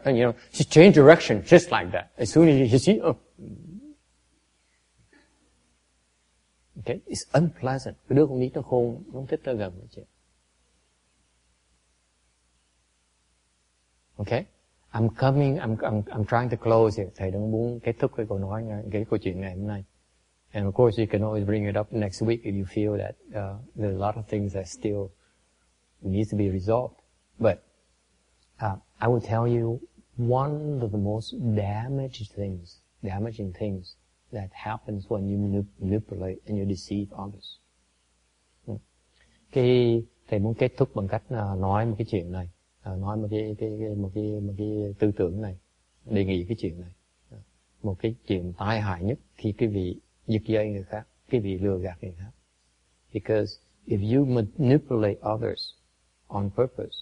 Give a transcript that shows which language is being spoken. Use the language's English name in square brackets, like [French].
[English] You know, just change direction just like that. As soon as you see, okay, it's unpleasant. [Vietnamese] Cái đứa con nít nó khôn, nó không thích tới gần nữa chứ. [English] Okay, I'm trying to close here. [Vietnamese] Thầy đang muốn kết thúc cái câu nói ngay, cái câu chuyện ngày hôm nay. [English] And of course, you can always bring it up next week if you feel that there are a lot of things that still needs to be resolved. But I will tell you one of the most damaging things that happens when you manipulate and you deceive others. [Vietnamese] Cái thầy muốn kết thúc bằng cách nói một cái chuyện này, nói một cái tư tưởng này. đề nghị cái chuyện này. Một cái chuyện tai hại nhất khi cái vị giật dây người khác, cái vị lừa gạt người khác. [English] Because if you manipulate others on purpose,